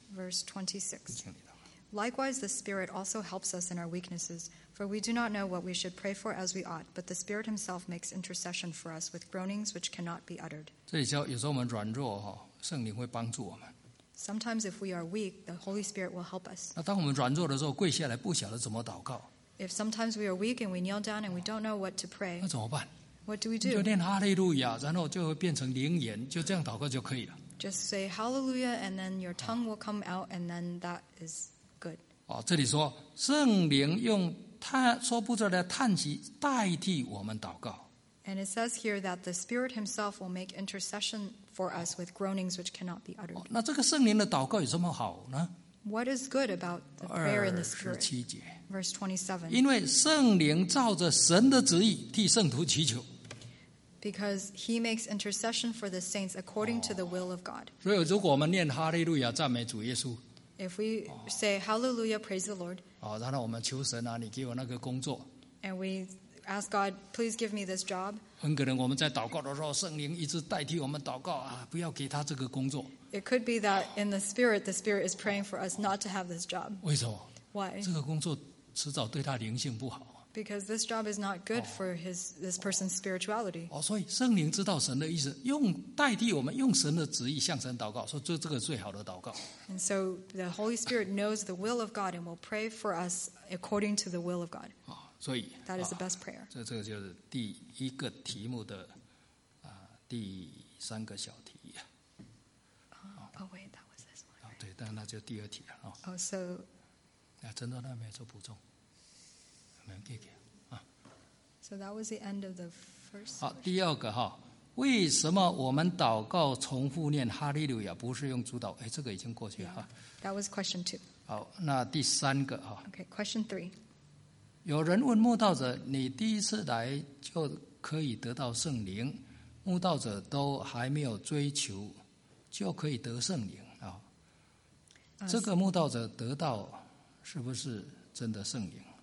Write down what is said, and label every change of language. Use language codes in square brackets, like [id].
[en] Verse 26 Likewise the Spirit also helps us in our weaknesses For we do not know what we should pray for as we ought But the Spirit himself makes intercession for us With groanings which cannot be uttered [zh] 这里叫有时候我们软弱圣灵会帮助我们 [en] Sometimes if we are weak The Holy Spirit will help us [zh] 那当我们软弱的时候跪下来不晓得怎么祷告 [en] If sometimes we are weak and we kneel down and we don't know what to pray, [zh] 那怎么办? [en] What do we do? [zh] 就念哈利路亚，然后就会变成灵言，就这样祷告就可以了。 [en] Just say hallelujah and then your tongue will come out and then that is good. [zh] 哦，这里说圣灵用叹说不出来的叹息代替我们祷告。 [en] And it says here that the Spirit Himself will make intercession for us with groanings which cannot be uttered. [zh] 那这个圣灵的祷告有什么好呢？ [en] What is good about the prayer in the Spirit? [zh] 27节 [en] Verse 27. [zh] 因为圣灵照着神的旨意替圣徒祈求。 [en] Because he makes intercession for the saints according to the will of God. [zh] 所以如果我们念哈利路亚赞美主耶稣。 [en] If we say hallelujah, praise the Lord. [zh] 然后我们求神啊，你给我那个工作。 [en] And we ask God, please give me this job. [zh] 很可能我们在祷告的时候，圣灵一直代替我们祷告啊，不要给他这个工作。 [en] It could be that in the Spirit is praying for us not to have this job. [zh] 为什么? [en] Why? [zh] 这个工作迟早对他灵性不好。 [en] Because this job is not good for this person's spirituality. [zh] 所以圣灵知道神的意思，用代替我们，用神的旨意向神祷告，说这个最好的祷告。 [en] And so the Holy Spirit knows the will of God and will pray for us according to the will of God. [zh] 所以 [en] That is the best prayer. [zh] 这个就是第一个题目的第三个小题。 [en] Oh, wait, that was this one. [zh] 对，那就第二题了。 [en] So... [zh] 真的那没有做补充。没有给。 [en] So that was the end of the first... [zh] 第二个，为什么我们祷告重复念哈利路亚不是用主导？这个已经过去了。 [en] That was question two. [zh] 好，那第三个。 [en] Okay, question three. [zh] 有人问慕道者，你第一次来就可以得到圣灵，慕道者都还没有追求就可以得圣灵这个慕道者得到是不是真的圣灵